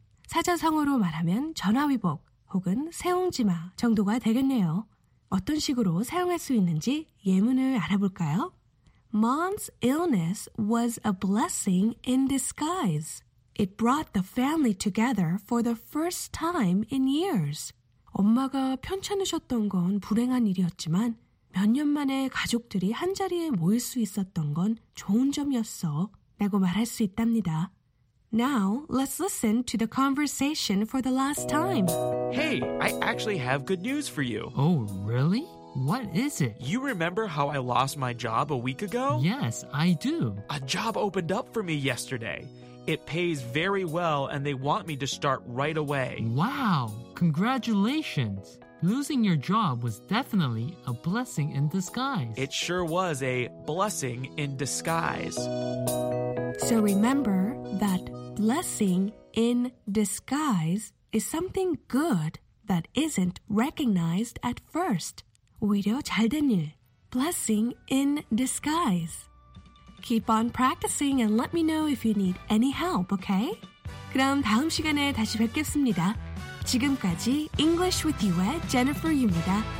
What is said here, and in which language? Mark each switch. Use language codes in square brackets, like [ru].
[ko] 사자성어로 말하면 전화위복 혹은 세옹지마 정도가 되겠네요. 어떤 식으로 사용할 수 있는지 예문을 알아볼까요? [en] Mom's illness was a blessing in disguise. It brought the family together for the first time in years. [ko] 엄마가 편찮으셨던 건 불행한 일이었지만 몇 년 만에 가족들이 한자리에 모일 수 있었던 건 좋은 점이었어 라고 말할 수 있답니다. [en] Now, let's listen to the conversation for the last time. Hey, I actually have good news for you. Oh, really? What is it? You remember how I lost my job a week ago? Yes, I do. A job opened up for me yesterday. It pays very well, and they want me to start right away. Wow! Congratulations! Losing your job was definitely a blessing in disguise. It sure was a blessing in disguise. So remember that blessing in disguise is something good that isn't recognized at first. [ko] 오히려 잘된 일. [en] Blessing in disguise. Keep on practicing and let me know if you need any help, okay? [ko] 그럼 다음 시간에 다시 뵙겠습니다. 지금까지 English with you의 Jennifer입니다.